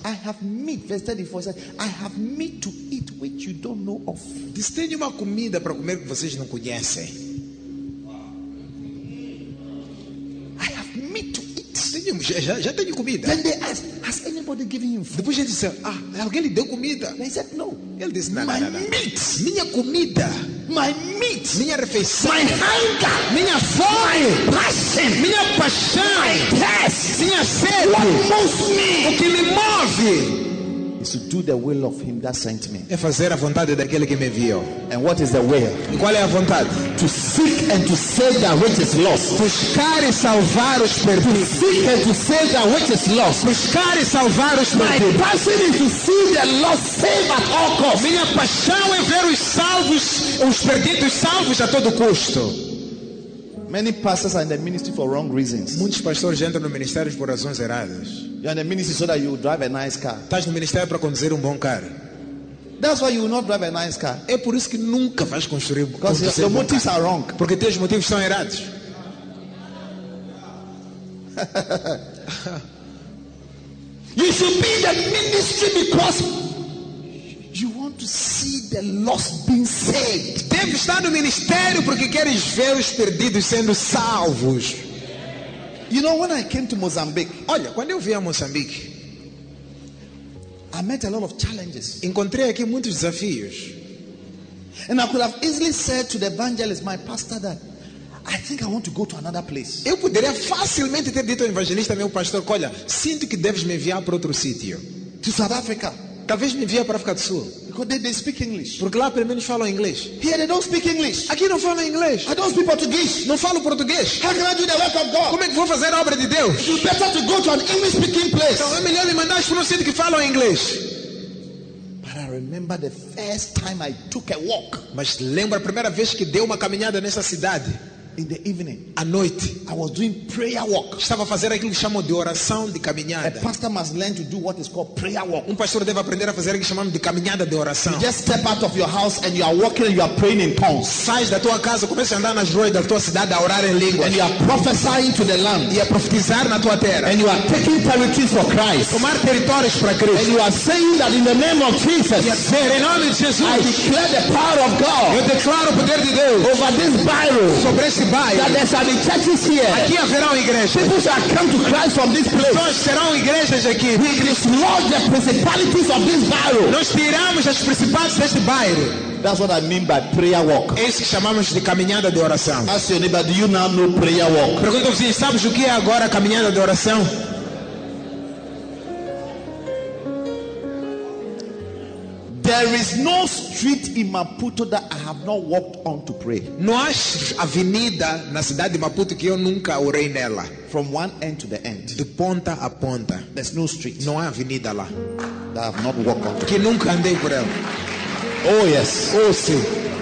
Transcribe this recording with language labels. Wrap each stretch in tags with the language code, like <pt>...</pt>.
<en>I have meat, verse 34 says, I have meat to eat which you don't know of.</en> <pt>Diz, tenho uma comida para comer que vocês não conhecem.</pt> <en>I have meat to eat.</en> <pt>Tenho, já tenho comida.</pt> <en>Then they ask, has anybody given him food?</en> <pt>Depois ele disse, ah, alguém lhe deu comida?</pt> <en>They said, no.</en> <pt>Ele disse, não,</pt> <en>my</en> <pt>não, não,</pt> <en>meat.</en> <pt>Minha comida.</pt> <en>My meat.</en> <pt>Minha refeição.</pt> <en>My hunger.</en> <pt>Minha fome.</pt> <en>My passion.</en> <pt>Minha paixão.</pt> <en>My thirst.</en> <pt>Minha sede.</pt> <en>What moves me.</en> <pt>O que me move.</pt> <en>Is to do the will of him that sent me.</en> <pt>É fazer a vontade daquele que me enviou.</pt> <en>And what is the will?</en> <pt>E qual é a vontade?</pt> <en>To seek and to save that which is lost.</en> <pt>Buscar e salvar os perdidos.</pt> <en>To seek and to save that which is lost.</en> <pt>Buscar e salvar os perdidos.</pt> <en>My passion is to see the lost saved at all costs.</en> <pt>Minha paixão é ver os perdidos salvos a todo custo.</pt> <en>Many pastors are in the ministry for wrong reasons.</en> <pt>Muitos pastores entram no ministério por razões erradas.</pt> <en>You're in the ministry so that you drive a nice car.</en> <pt>Estás no ministério para conduzir bom carro.</pt> <en>That's why you will not drive a nice car.</en> <pt>É por isso que nunca vais construir bom carro.</pt> <en>Because your motives are wrong.</en> <pt>Porque teus motivos são errados.</pt> <en>You should be in the ministry because you want to see the lost being saved.</en> <pt>Deve estar no ministério porque queres ver os perdidos sendo salvos.</pt> <en>You know, when I came to Mozambique,</en> <pt>olha, quando eu vim a Moçambique,</pt> <en>I met a lot of challenges.</en> <pt>Encontrei aqui muitos desafios.</pt> <en>And I could have easily said to the evangelist, my pastor, that I think I want to go to another place.</en> <pt>Eu poderia facilmente ter dito ao evangelista, meu pastor, olha, sinto que deves me enviar para outro sítio.</pt> <en>To South Africa.</en> <pt>Talvez me envie para a África do Sul.</pt> <en>Because they speak English.</en> <pt>Porque lá pelo menos falam inglês.</pt> <en>Here they don't speak English.</en> <pt>Aqui não falam inglês.</pt> <en>I don't speak Portuguese.</en> <pt>Não falo português.</pt> <en>How can I do the work of God?</en> <pt>Como é que vou fazer a obra de Deus?</pt> <en>You better to go to an English speaking place.</en> <pt>Então é melhor me mandar para um sítio que fala inglês.</pt> <en>But I remember the first time I took a walk.</en> <pt>Mas lembro a primeira vez que dei uma caminhada nessa cidade.</pt> <en>In the evening,</en> <pt>à noite,</pt> <en>I was doing prayer walk.</en> <pt>Estava a fazer aquilo que chamam de oração de caminhada.</pt> <en>A pastor must learn to do what is called prayer walk.</en> <pt>Um pastor deve aprender a fazer aquilo que chamamos de caminhada de oração.</pt> <en>You just step out of your house and you are walking and you are praying in tongues.</en> <pt>Sai da tua casa, começa a andar nas ruas da tua cidade a orar em línguas.</pt> <en>And you are prophesying to the land.</en> <pt>E a profetizar na tua terra.</pt> <en>And you are taking territories for Christ.</en> <pt>Tomar territórios para Cristo.</pt> <en>And you are saying that in the name of Jesus.</en> <pt>E em nome de Jesus.</pt> <en>I declare the power of God.</en> <pt>Eu declaro o poder de Deus.</pt> <en>Over this Bible.</en> <pt>Sobre</pt> <en>that there's a church here. People shall come to Christ from this place.</en> <pt>Nós serão igrejas aqui.</pt> <en>We dislodge the principalities of this bairro.</en> <pt>Nós tiramos as principais deste bairro.</pt> <en>That's what I mean by prayer walk.</en> <pt>É isso que chamamos de caminhada de oração.</pt> <en>Ask your neighbor, do you now know prayer walk?</en> <pt>Pergunta ao vizinho, sabes o que é agora a caminhada de oração?</pt> <en>There is no street in Maputo that I have not walked on to pray.</en> <pt>Não há avenida na cidade de Maputo que eu nunca orei nela.</pt> <en>From one end to the end.</en> <pt>De ponta a ponta.</pt> <en>There's no street.</en> <pt>Não há avenida lá.</pt> <en>That I have not walked on.</en> <pt>Que nunca andei por ela.</pt> <en>Oh yes.</en> <pt>Oh sim.</pt>